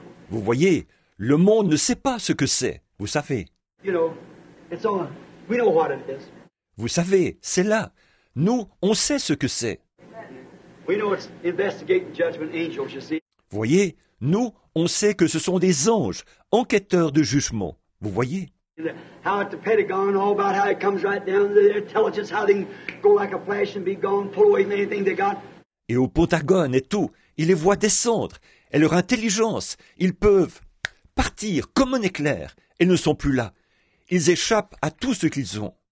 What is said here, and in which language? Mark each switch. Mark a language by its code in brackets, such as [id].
[fr] Vous voyez, le monde ne sait pas ce que c'est, vous savez. [en] You know, it's all... We know what it is. [fr] Vous savez, c'est là. Nous, on sait ce que c'est. [en] We know it's investigating judgment angels, you see. [fr] Voyez, nous, on sait que ce sont des anges, enquêteurs de jugement. Vous voyez? [en] How at the Pentagon, all about how it comes right down to their intelligence, how they go like a flash and be gone, pull away from anything they got. [fr] Et au Pentagone et tout, ils les voient descendre, et leur intelligence, ils peuvent partir comme un éclair, et ne sont plus là. Ils échappent à tout ce qu'ils ont.